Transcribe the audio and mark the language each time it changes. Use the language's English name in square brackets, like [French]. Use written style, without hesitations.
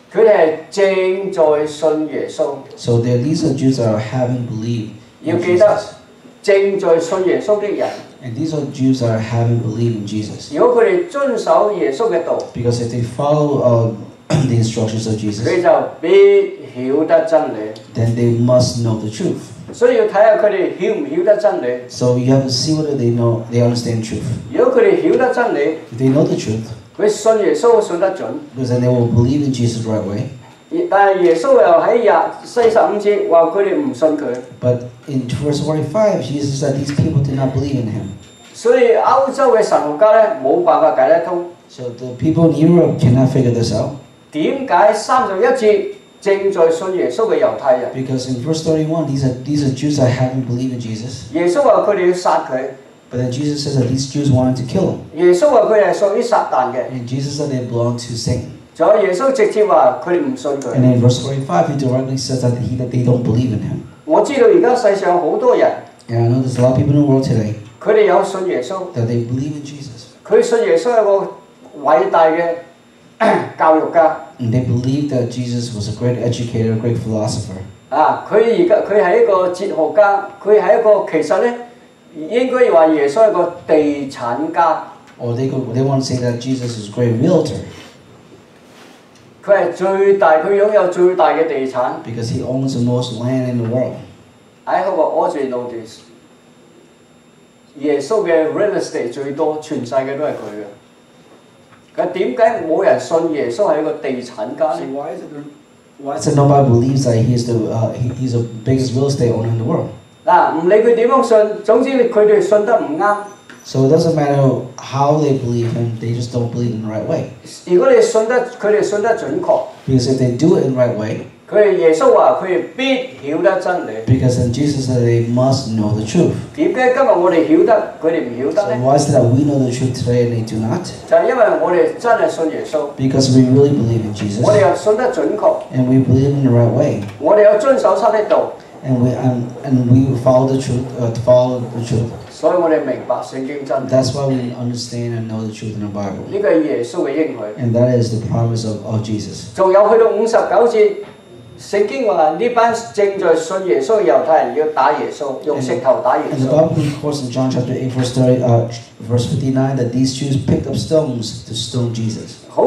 [English] So these are Jews that haven't believed in Jesus. [Chinese] 正在信耶稣的人, [English] and these are Jews that haven't believed in Jesus. [Chinese] 如果他们遵守耶稣的道, [English] because if they follow the instructions of Jesus, [Chinese] 他们就必晓得真理, [English] then they must know the truth. [Chinese] 所以要看他们晓不晓得真理, [English] so you have to see whether they know, they understand the truth. [Chinese] 如果他们晓得真理, [English] if they know the truth, [Chinese] 他们信耶稣信得准, [English] because then they will believe in Jesus right away. [Chinese] 但耶稣又在45节说他们不信他, [English] but in verse 45, Jesus said these people did not believe in him. [Chinese] 所以欧洲的神学家没办法解得通, [English] so the people in Europe cannot figure this out. [Chinese] 为什么31节正在信耶稣的犹太人, [English] because in verse 31, these are Jews that haven't believed in Jesus. [Chinese] 耶稣说他们要杀他, [English] but then Jesus says that these Jews wanted to kill him. [Chinese] 耶稣说他们是属于撒旦的, [English] and Jesus said they belong to Satan. [Chinese] 所以耶稣直接说他们不信他, [English] and in verse 45, he directly says that they don't believe in him. [Chinese] 我知道现在世上很多人, [English] and I know there's a lot of people in the world today, [Chinese] 他们有信耶稣, [English] that they believe in Jesus. [Chinese] 他们信耶稣是一个伟大的教育家, [English] and they believe that Jesus was a great educator, a great philosopher. [Chinese] 他是一个哲学家, 他是一个其实应该说耶稣是一个地产家, [English] or they want to say that Jesus is a great realtor. [Chinese] 他拥有最大的地产, [English] because he owns the most land in the world. I hope all of you know this. [Chinese] 耶稣的real estate最多, 全世界都是他的。但为什么没有人信耶稣是一个地产家呢? [English] So why is it nobody believes that he's the biggest real estate owner in the world? [Chinese] 不管他怎么信, 总之他们信得不对。 [English] So it doesn't matter how they believe him, they just don't believe in the right way. [Chinese] 如果他们信得准确, [English] because if they do it in the right way, [Chinese] 耶稣说他们必晓得真理, [English] because then Jesus said they must know the truth. [Chinese] 为什么今天我们晓得他们不晓得呢? [English] So why is it that we know the truth today and they do not? [Chinese] 就是因为我们真的信耶稣, [English] because we really believe in Jesus, [Chinese] 我们信得准确, [English] and we believe in the right way, [Chinese] 我们遵守神的道, [English] and we follow the truth, follow the truth. [Chinese] 所以我们明白圣经真理, [English] that's why we understand and know the truth in the Bible. [Chinese] 这个是耶稣的应许, [English] and that is the promise of Jesus. [Chinese] 还有去到59节, 圣经说这帮正在信耶稣的犹太人要打耶稣, 用石头打耶稣, [English] and the Bible reports in John chapter 8 verse 30, verse 59, that these Jews picked up stones to stone Jesus.